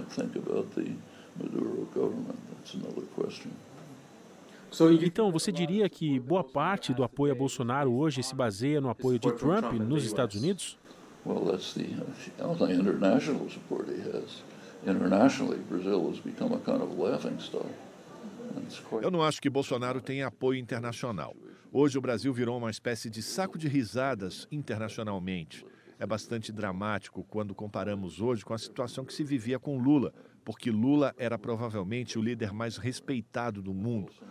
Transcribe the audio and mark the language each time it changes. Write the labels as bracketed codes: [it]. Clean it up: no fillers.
[pt] Isso é bastante independente de qualquer um que pode pensar sobre o Maduro governo. Essa é outra questão. Então, você diria que boa parte do apoio a Bolsonaro hoje se baseia no apoio de Trump nos Estados Unidos? [en] Well, that's the only international support he has. Internationally, Brazil has become a kind of laughingstock. [pt] Eu não acho que Bolsonaro tenha apoio internacional. Hoje o Brasil virou uma espécie de saco de risadas internacionalmente. É bastante dramático quando comparamos hoje com a situação que se vivia com Lula, porque Lula era provavelmente o líder mais respeitado do mundo.